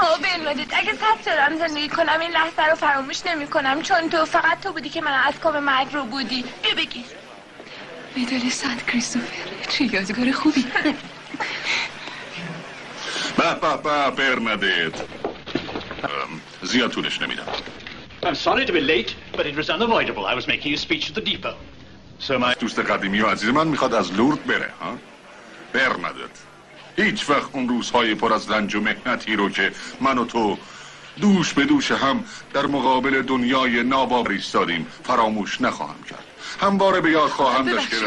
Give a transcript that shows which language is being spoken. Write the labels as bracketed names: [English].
[Persian] آه بنوادت، اگه صد سالم زندگی کنم این لحظه رو فراموش نمی کنم، چون تو، فقط تو بودی که من از کام مرگ رو بودی. بیا بگیر میدال سنت کریستوفر، چه یادگار خوبی. با با با برنادت، زیاد طولش نمیدم. [English] I'm sorry to be late, but it was unavoidable. I was making a speech at the depot. So my [Persian] دوست قدیمی و عزیز من میخواد از لورد بره، ها؟ برنادت، هیچ وقت اون روزهای پر از رنج و محنتی رو که من و تو دوش به دوش هم در مقابل دنیای ناباور ایستادیم فراموش نخواهم کرد. همواره به یاد خواهم داشت که